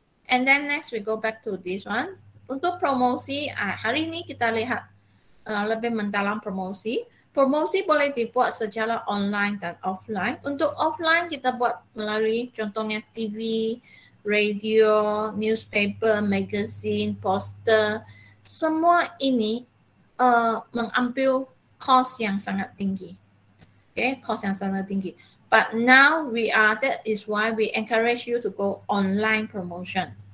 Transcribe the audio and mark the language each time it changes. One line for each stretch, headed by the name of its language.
English: And then next we go back to this one.
Malay: Untuk promosi, hari ini kita lihat lebih mendalam promosi. Promosi boleh dibuat secara online dan offline. Untuk offline kita buat melalui contohnya TV, radio, newspaper, magazine, poster. Semua ini mengambil cost yang sangat tinggi. Okay, cost yang sangat tinggi.
English: But now we are, that is why we encourage you to go online promotion.